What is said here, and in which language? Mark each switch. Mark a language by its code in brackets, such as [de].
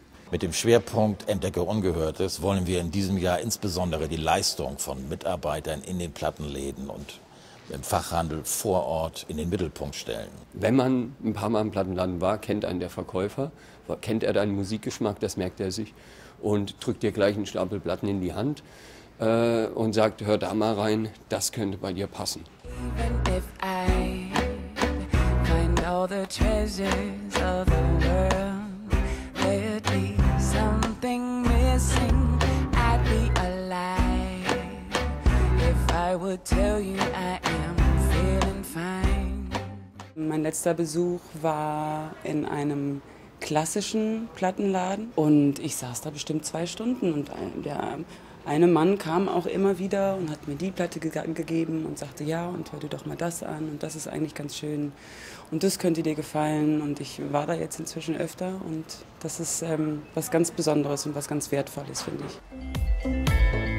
[de] Mit dem Schwerpunkt Entdecke Ungehörtes wollen wir in diesem Jahr insbesondere die Leistung von Mitarbeitern in den Plattenläden und im Fachhandel vor Ort in den Mittelpunkt stellen. Wenn man ein paar Mal im Plattenladen war, kennt einen der Verkäufer, kennt er deinen Musikgeschmack, das merkt er sich und drückt dir gleich einen Stapel Platten in die Hand und sagt, hör da mal rein, das könnte bei dir passen. [en] Even if I find all the treasures of the world, there'd be something missing. I'd be alive if I would tell you I am feeling fine. [de] Mein letzter Besuch war in einem klassischen Plattenladen und ich saß da bestimmt 2 Stunden und der eine Mann kam auch immer wieder und hat mir die Platte gegeben und sagte, ja, und hör dir doch mal das an und das ist eigentlich ganz schön und das könnte dir gefallen und ich war da jetzt inzwischen öfter und das ist was ganz Besonderes und was ganz Wertvolles, finde ich.